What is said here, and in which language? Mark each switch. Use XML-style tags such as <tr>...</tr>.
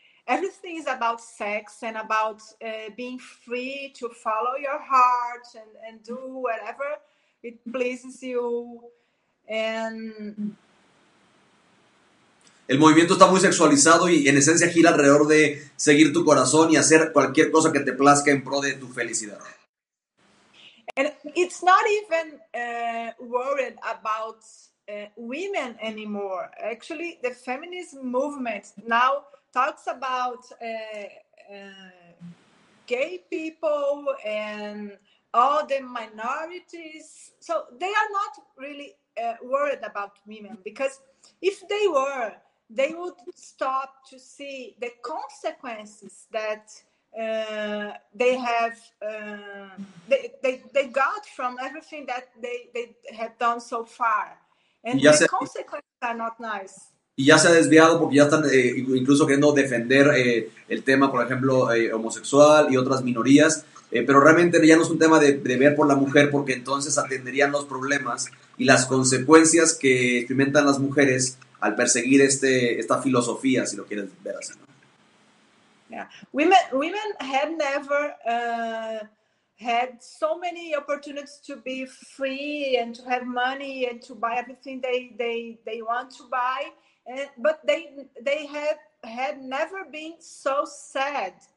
<en>Everything is about sex and about being free to follow your heart and do whatever it pleases you. And</en> <es>el movimiento está muy sexualizado y en esencia gira alrededor de seguir tu corazón y hacer cualquier cosa que te plazca en pro de tu felicidad.</es> <en>And it's not even worried about women anymore. Actually, the feminist movement now talks about gay people and all the minorities. So they are not really worried about women, because if they were, they would stop to see the consequences that they have they got from everything that they have done so far, and the consequences are not nice.</en> <es>Y ya se ha desviado porque ya están incluso queriendo defender el tema, por ejemplo, homosexual y otras minorías, pero realmente ya no es un tema de ver por la mujer, porque entonces atenderían los problemas y las consecuencias que experimentan las mujeres al perseguir esta filosofía, si lo quieres ver así, ¿no?</es> <en>Yeah. Women had never had so many opportunities to be free and to have money and to buy everything they want to buy, but they had never been so sad.</en>